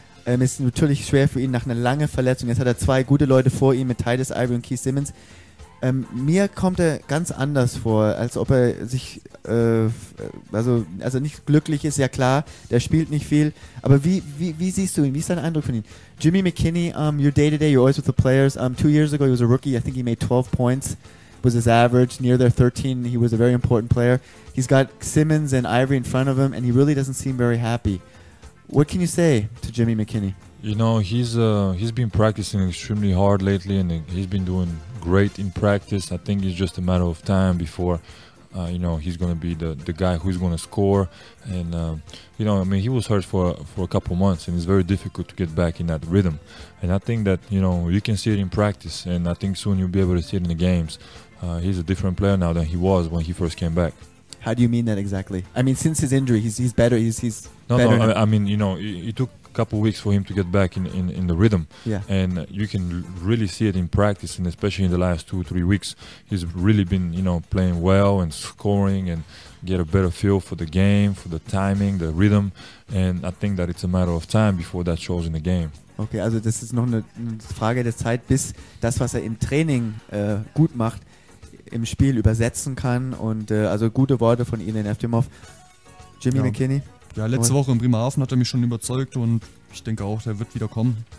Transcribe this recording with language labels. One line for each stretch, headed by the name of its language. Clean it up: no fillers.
German: Ist natürlich schwer für ihn nach einer langen Verletzung. Jetzt hat er 2 gute Leute vor ihm mit Tyus Ivory und Keith Simmons. Mir kommt er ganz anders vor, als ob er sich also nicht glücklich ist, ja klar, der spielt nicht viel, aber wie siehst du ihn, wie ist dein Eindruck von ihm?
English: Jimmy McKinney, you're day-to-day, you're always with the players, 2 years ago he was a rookie, I think he made 12 points, was his average, near their 13, he was a very important player, he's got Simmons and Ivory in front of him, and he really doesn't seem very happy. What can you say to Jimmy McKinney? You know, he's been practicing extremely hard lately, and he's been doing great in practice. I think it's just a matter of time before, you know, he's going to be the guy who's going to score. And, you know, I mean, he was hurt for a couple months, and it's very difficult to get back in that rhythm. And I think that, you know, you can see it in practice, and I think soon you'll be able to see it in the games. He's a different player now than he was when he first came back. How do you mean that exactly? I mean, since his injury, he's better. I mean, you know, it took a couple weeks for him to get back in the rhythm. Yeah. And you can really see it in practice, and especially in the last 2-3 weeks, he's really been, you know, playing well and scoring and get a better feel for the game, for the timing, the rhythm. And I think that it's a matter of time before that shows in the game.
German: Okay, also das ist noch eine Frage der Zeit, bis das, was er im Training gut macht, im Spiel übersetzen kann. Und also gute Worte von Ilian Eftimov. Jimmy McKinney? Ja, letzte Woche in Bremerhaven hat er mich schon überzeugt und Ich denke auch, der wird wieder kommen.